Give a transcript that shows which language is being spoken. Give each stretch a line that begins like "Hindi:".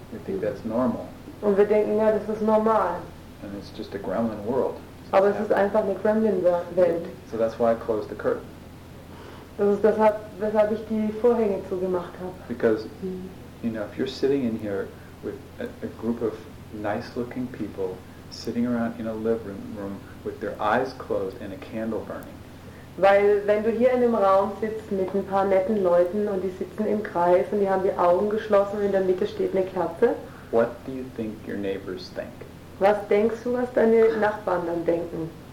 English: We think that's normal.
German: Und wir denken, ja, das ist normal.
English: And it's just a gremlin world.
German: Aber es ist einfach eine Gremlin-Welt.
English: So that's why I closed the curtain.
German: Das ist deshalb, weshalb ich die Vorhänge zugemacht habe.
English: Because, you know, if you're sitting in here with a group of nice-looking people sitting around in a living room with their eyes closed and a candle burning.
German: Weil wenn du hier in einem Raum sitzt mit ein paar netten Leuten und die sitzen im Kreis und die haben die Augen geschlossen und in der Mitte steht eine Kerze.
English: What do you think your neighbors think?
German: Was denkst du, was deine Nachbarn dann denken?